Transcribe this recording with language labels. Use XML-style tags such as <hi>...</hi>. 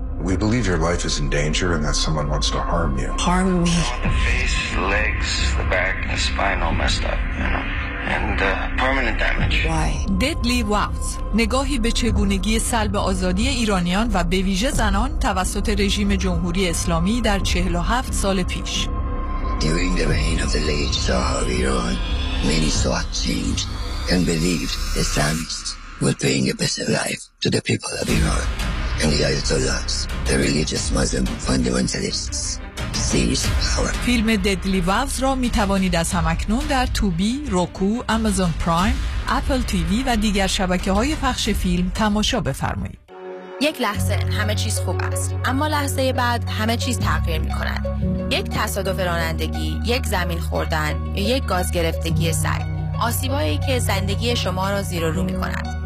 <en>We believe your life is in danger and that someone wants to harm you. Harm me? The face, the legs, the back, the spine all messed up, you know. And permanent damage. Why? Deadly Wouts.</en> <fa>نگاهی به چگونگی سلب آزادی ایرانیان و به ویژه زنان توسط رژیم جمهوری اسلامی در 47 سال پیش.</fa> <en>During the reign of the late Shah of Iran, many thought seemed and believed Islamists were paying a better life to the people of Iran. And the Ayatollahs, the religious Muslim fundamentalists, seized power.</en> <fa>فیلم Deadly Vows را می توانید از همکنون در توبی، روکو، امازون پرایم، اپل تیوی و دیگر شبکه های پخش فیلم تماشا بفرمایید. یک لحظه همه چیز خوب است، اما لحظه بعد همه چیز تغییر می کند. یک تصادف رانندگی، یک زمین خوردن، یک گاز گرفتگی سر، آسیبایی که زندگی شما را زیر و رو می کند.</fa>